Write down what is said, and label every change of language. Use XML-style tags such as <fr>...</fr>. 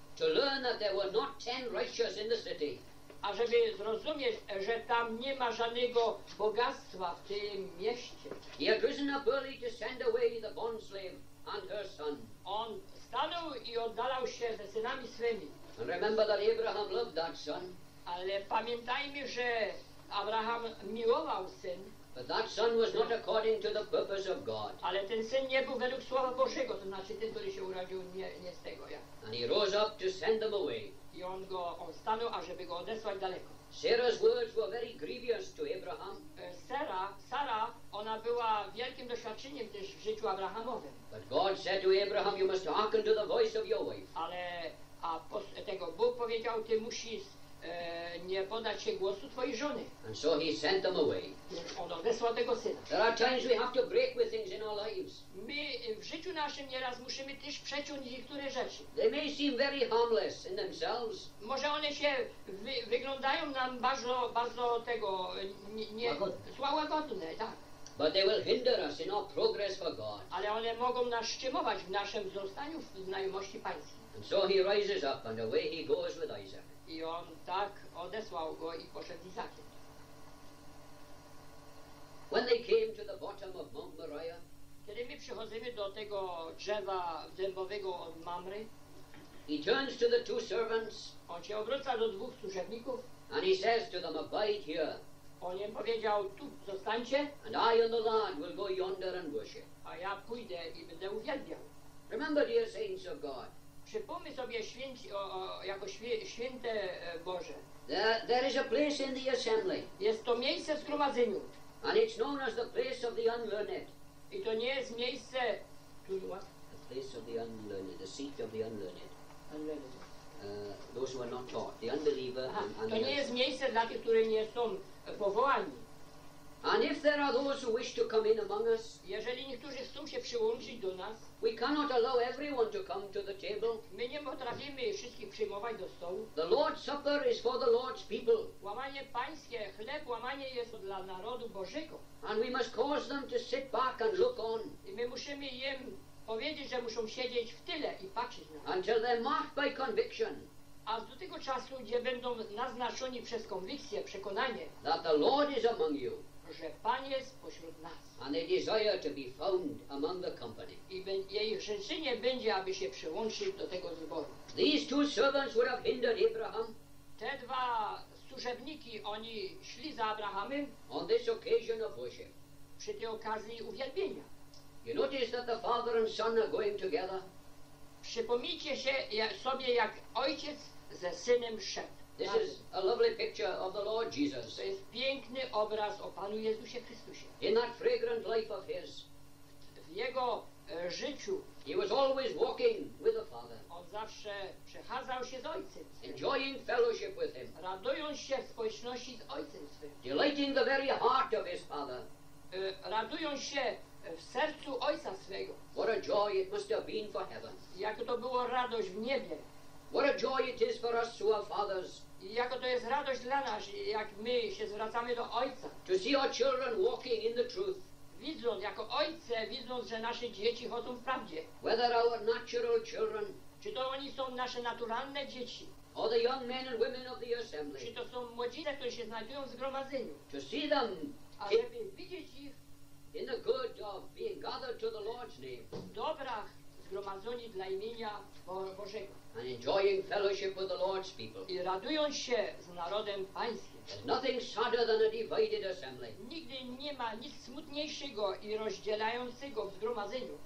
<en>To learn that there were not 10 righteous in the city.</en> <pl>A żeby zrozumieć, że tam nie ma żadnego bogactwa w tym mieście.</pl> <en>He had risen up early to send away the bondslave and her son.</en> <pl>On stanął i oddalał się ze synami swymi.</pl> <en>And remember that Abraham loved that son.</en> <pl>Ale pamiętajmy, że Abraham miłował syn.</pl> <en>But that son was not according to the purpose of God.</en> <pl>Ale ten syn nie był według słowa Bożego, to znaczy ten, który się urodził nie z tego. Ja.</pl> <en>And he rose up to send them away.</en> <pl>I on stanął, ażeby go odesłać daleko.</pl> <en>Sarah's words were very grievous to Abraham.</en> <pl>Sara, ona była wielkim doświadczeniem też w życiu Abrahamowym.</pl> <en>But God said to Abraham, you must hearken to the voice of your wife.</en> <pl>Ale tego Bóg powiedział, ty musisz nie podać się głosu twojej żony.</pl> <en>And so he sent them away.</en> <pl>On odesłał tego syna.</pl> <en>There are times we have to break with things in our lives.</en> <pl>My w życiu naszym nieraz musimy też przeciąć niektóre rzeczy.</pl> <en>They may seem very harmless in themselves.</en> <pl>Może one się wyglądają nam bardzo, bardzo tego nie łagodne, tak.</pl> <en>But they will hinder us in our progress for God.</en> <pl>Ale one mogą nas szczymować w naszym zostaniu w znajomości Pańskiej.</pl> <en>And so he rises up and away he goes with Isaac.</en> <pl>I on tak odesłał go i poszedł z Izakiem.</pl> <en>When they came to the bottom of Mount Moriah.</en> <pl>Kiedy my przychodzimy do tego drzewa dębowego od Mamry.</pl> <en>He turns to the two servants.</en> <pl>On się obraca do dwóch służebników.</pl> <en>And he says to them, abide here.</en> <pl>Onie powiedział: tu zostańcie.</pl> <en>And I and the lad will go yonder and worship.</en> <pl>A ja pójdę i będę uwielbiał.</pl> <en>Remember, dear saints of God.</en> <pl>Przypomnij sobie święci, święte Boże.</pl> <en>There is a place in the assembly.</en> <pl>Jest to miejsce w zgromadzeniu.</pl> <en>And it's known as the place of the unlearned.</en> <pl>I to nie jest miejsce.</pl> <en>The place of the unlearned, the seat of the unlearned. Unlearned. Those who are not taught, the unbeliever. Aha,</en> <pl>to nie jest miejsce dla tych, które nie są powołani.</pl> <en>And if there are those who wish to come in among us,</en> <pl>jeżeli niektórzy chcą się przyłączyć do nas,</pl> <en>we cannot allow everyone to come to the table.</en> <pl>My nie potrafimy wszystkich przyjmować do stołu.</pl> <en>The Lord's Supper is for the Lord's people.</en> <pl>Łamanie pańskie, chleb łamanie jest dla narodu Bożego.</pl> <en>And we must cause them to sit back and look on.</en> <pl>I my musimy im powiedzieć, że muszą siedzieć w tyle i patrzeć na nas.</pl> <en>Until they're marked by conviction.</en> <pl>A do tego czasu, gdzie będą naznaczeni przez konwikcję, przekonanie,</pl> <en>that the Lord is among you.</en> <pl>Że Pan jest pośród nas.</pl> <en>And they desire to be found among the company.</en> <pl>I ich życzenie będzie, aby się przyłączyć do tego zboru.</pl> <en>These two servants would have hindered Abraham.</en> <pl>Te dwa służebniki, oni szli za Abrahamem.</pl> <en>On this occasion of worship.</en> <pl>Przy tej okazji uwielbienia.</pl> <en>You notice that the father and son are going together.</en> <pl>Przypomnijcie się sobie, jak ojciec ze synem szedł.</pl> <en>This is a lovely picture of the Lord Jesus.</en> <pl>To jest piękny obraz o Panu Jezusie Chrystusie.</pl> <en>In that fragrant life of his.</en> <pl>W jego życiu.</pl> <en>He was always walking with the Father.</en> <pl>On zawsze przechadzał się z Ojcem.</pl> <en>Enjoying fellowship with him.</en> <pl>Radując się w społeczności z Ojcem.</pl> <en>Delighting the very heart of his Father.</en> <pl>Radując się w sercu Ojca swego.</pl> <en>What a joy it must have been for heaven.</en> <pl>Jak to było radość w niebie.</pl> <en>What a joy it is for us to our fathers.</en> <pl>I jako to jest radość dla nas, jak my się zwracamy do Ojca.</pl> <en>To see our children walking in the truth.</en> <pl>Widząc, jako ojce, widząc, że nasze dzieci chodzą w prawdzie.</pl> <en>Whether our natural children.</en> <pl>Czy to oni są nasze naturalne dzieci.</pl> <en>Or the young men and women of the assembly.</en> <pl>Czy to są młodzice, którzy się znajdują w zgromadzeniu.</pl> <en>To see them.</en> <pl>A żeby widzieć ich.</pl> <en>In the good of being gathered to the Lord's name.</en> <pl>Dobra. Zgromadzeni dla imienia Bożego.</pl> <en>And enjoying fellowship with the Lord's people.</en> <pl>I radując się z narodem pańskim.</pl> <en>There's nothing sadder than a divided assembly.</en> <pl>Nigdy nie ma nic smutniejszego i rozdzielającego w zgromadzeniu.</pl>